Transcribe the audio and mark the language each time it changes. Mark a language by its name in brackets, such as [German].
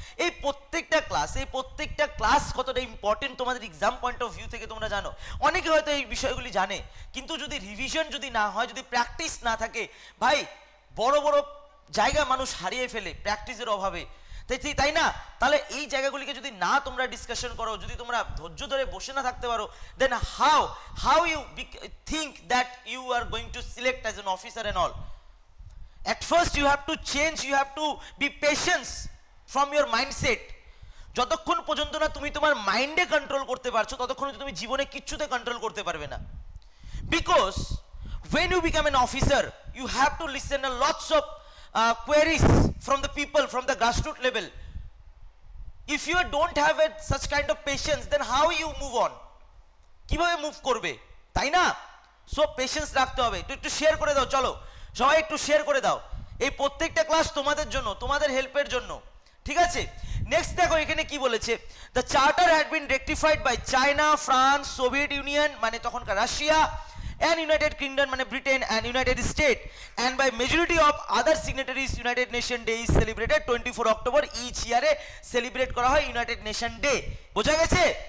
[Bangla] এই প্রত্যেকটা ক্লাস, এই প্রত্যেকটা ক্লাস কতটা ইম্পর্টেন্ট তোমাদের এক্সাম পয়েন্ট অফ ভিউ থেকে তোমরা জানো, অনেকে হয়তো এই বিষয়গুলি জানে, কিন্তু যদি রিভিশন যদি না হয়, যদি প্র্যাকটিস না থাকে, ভাই বড় বড় জায়গা মানুষ হারিয়ে ফেলে প্র্যাকটিসের অভাবে, তাই না? তাহলে এই জায়গাগুলিকে যদি না তোমরা ডিসকাশন করো, যদি তোমরা ধৈর্য ধরে বসে না থাকতে পারো, [English] Then how you think that you are going to select as an officer and all. At first you have to change, you have to be patient from your mindset. [Bangla] যতক্ষণ পর্যন্ত না তুমি তোমার মাইন্ডে কন্ট্রোল করতে পারছো, ততক্ষণ পর্যন্ত তুমি জীবনে কিচ্ছুতে কন্ট্রোল করতে পারবে না. [English] Because when you become an officer, you have to listen a lots of queries from the people, from the grassroots level. If you don't have such kind of patience, then how you move on? [Bangla] কিভাবে move করবে, তাই না? So patience রাখতে হবে. একটু share করে দাও, চলো সবাই একটু শেয়ার করে দাও, এই প্রত্যেকটা ক্লাস তোমাদের জন্য, তোমাদের হেল্পের জন্য, ঠিক আছে? নেক্সট দেখো এখানে কি বলেছে, [English] the charter had been rectified by China, France, Soviet Union [Bangla] মানে তখনকার রাশিয়া, [English] and United Kingdom [Bangla] মানে Britain [English] and United State, and by majority of other signatories, United Nation Day is celebrated 24 October, each ইয়ারে celebrate [Bangla] করা হয় [English] United Nation Day. [Bangla] বোঝা গেছে?